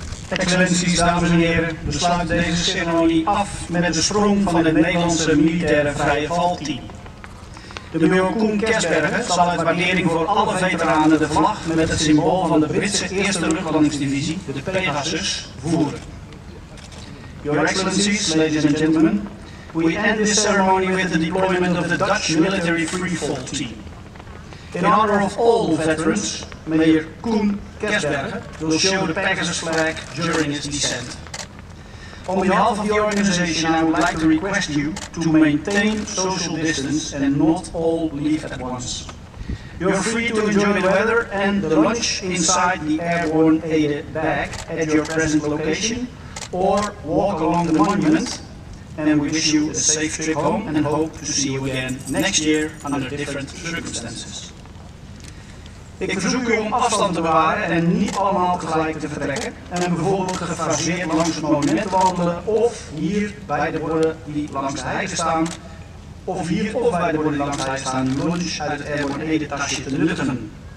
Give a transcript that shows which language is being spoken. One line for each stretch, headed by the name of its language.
Dutch: Excellenties, dames en heren, we sluiten deze ceremonie af met de sprong van het Nederlandse militaire vrije valteam. De majoor Koen Kersbergen zal uit waardering voor alle veteranen de vlag met het symbool van de Britse 1e Luchtlandingsdivisie, de Pegasus, voeren.
English: Your Excellencies, ladies and gentlemen, we end this ceremony with the deployment of the Dutch Military Freefall Team. In honor of all veterans, Mayor Koen Kersbergen will show the Pegasus flag during his descent. On behalf of the organization, I would like to request you to maintain social distance and not all leave at once. You are free to enjoy the weather and the lunch inside the airborne aide bag at your present location, or walk along the monument, and we wish you a safe trip home and hope to see you again next year under different circumstances.
Dutch: Ik verzoek u om afstand te bewaren en niet allemaal tegelijk te vertrekken en bijvoorbeeld gefaseerd langs het monument te wandelen of hier bij de borden die langs de heide staan lunch uit het airborne edetasje te nuttigen.